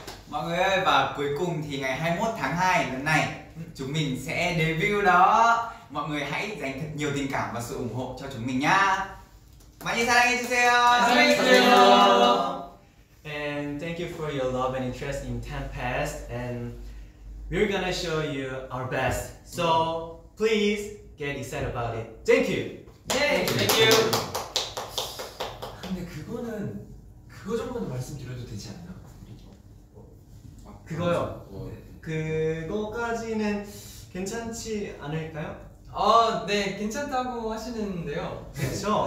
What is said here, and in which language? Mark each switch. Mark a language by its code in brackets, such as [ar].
[vi] 마 người ơi, và cuối cùng thì ngày 21 tháng 2 lần này chúng mình sẽ debut đó. Mọi người hãy dành thật nhiều tình cảm và sự ủng hộ cho chúng mình nhá. [ko] 많이 사랑해 주세요. 사랑해 주세요. [en] And thank you for your love and interest in Tempest. And we're gonna show you our best. So please get excited about it. Thank you. Yay! Thank you. [ko] 근데 그거는 그거 정도만 말씀드려도 되지 않나? 그거요. 그거까지는 괜찮지 않을까요? 아, 네, 괜찮다고 하시는데요. 그렇죠.